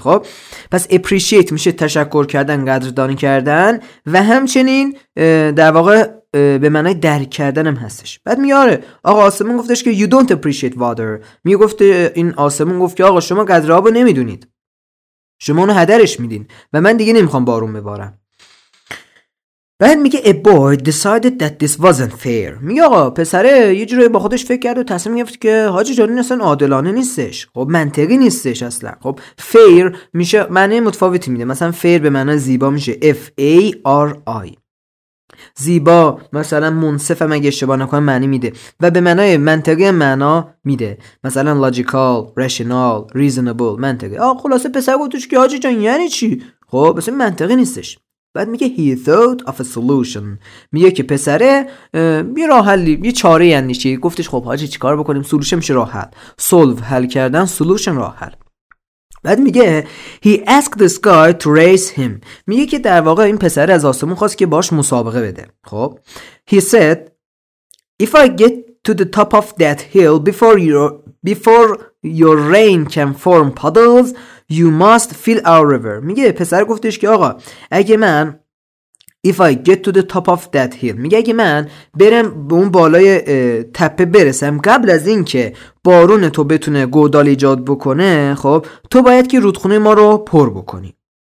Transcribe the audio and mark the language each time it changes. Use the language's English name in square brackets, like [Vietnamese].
[Persian] خب پس appreciate میشه تشکر کردن، قدردانی کردن، و همچنین در واقع به معنای درک کردنم هستش. بعد میگه آره آقا آسمون گفتش که [English] you don't appreciate water، [Persian] میگه گفت این آسمون گفت که آقا شما قدر آبو نمیدونید، شما اونو هدرش میدین و من دیگه نمیخوام بارون ببارم. بعد میگه [English] a boy decided that this wasn't fair. [Persian] میگه آقا پسره یه جوری با خودش فکر کرد و تصمیم گرفت که حاجی جان این اصلا عادلانه نیستش. خب منطقی نیستش اصلا. خب fair میشه معنی متفاوتی میده. مثلا fair به معنی زیبا میشه F-A-R-I. زیبا مثلا منصف هم اگه اشتباه نکنم معنی میده و به معنای منطقی معنا میده، مثلا logical, rational, reasonable، منطقی. آه خلاصه پسر گفتش که حاجی جان یعنی چی؟ خب مثلا منطقی نیستش. بعد میگه [English] he thought of a solution، [Persian] میگه که پسره یه راه حلی، یه چاره اندیشی، گفتش خب حاجی چیکار بکنیم؟ solution میشه راه حل، solve حل کردن، solution راه حل. بعد میگه [English] he asked this guy to race him، [Persian] میگه که در واقع این پسر از آسمون خواست که باش مسابقه بده. [English] خب he said if I get to the top of that hill before your rain can form puddles you must fill our river. [Persian] میگه پسر گفتش که آقا اگه من [English] if I get to the top of that hill، [Persian] میگه اگه من برم به اون بالای تپه برسم قبل از این که بارون تو بتونه گودال ایجاد بکنه، خب تو باید که رودخونه ما رو پر بکنی.